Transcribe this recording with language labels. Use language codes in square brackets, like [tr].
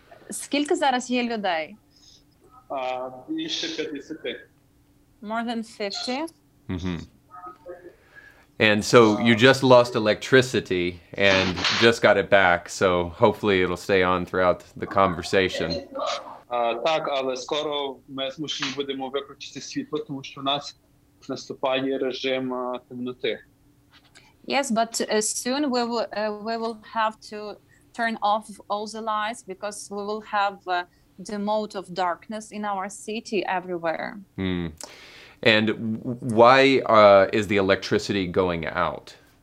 [uk] Скільки зараз є людей? Більше 50. [en] More than 50. Mm-hmm. And so you just lost electricity and just got it back, so hopefully it'll stay on throughout the conversation. [uk] Так, але скоро ми змушені будемо виключити світло, тому що у нас наступає режим темноти. [en] Yes, but soon we will have to turn off all the lights because we will have the mode of darkness in our city everywhere. Mm. And why is the electricity going out?